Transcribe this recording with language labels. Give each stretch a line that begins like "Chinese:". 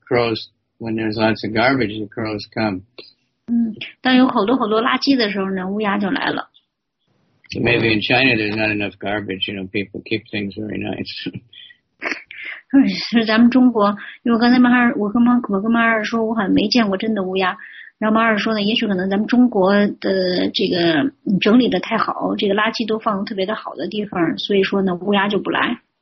English: crows, when there's lots of garbage, the crows come.
Chinese: 当有好多垃圾的时候呢，乌鸦就来了。
English: So maybe in China there's not enough garbage, you know, people keep things very nice.
Chinese: 是咱们中国，因为我刚才马尔说，我很没见过真的乌鸦。然后马尔说呢，也许可能咱们中国的这个整理的太好，这个垃圾都放的特别的好的地方，所以说呢，乌鸦就不来。